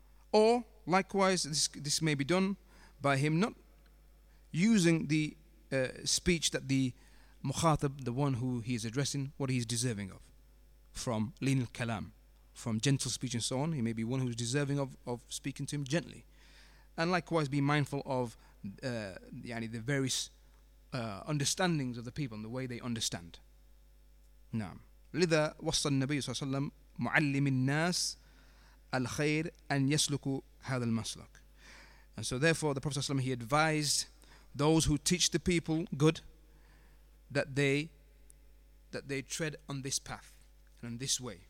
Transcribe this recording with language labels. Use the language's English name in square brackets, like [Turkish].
[English] Or likewise, this may be done by him not using the speech that the [Arabic] مخاطب, [English] the one who he is addressing, what he is deserving of, from [Arabic] lin al-kalam, [English] from gentle speech and so on. He may be one who is deserving of speaking to him gently, and likewise be mindful of the various understandings of the people and the way they understand. [Arabic] نعم. لذا وصى النبي صلى الله عليه وسلم معلم الناس الخير أن يسلكوا هذا المسلك. [English] And so therefore the Prophet ﷺ, he advised those who teach the people good that they tread on this path and on this way.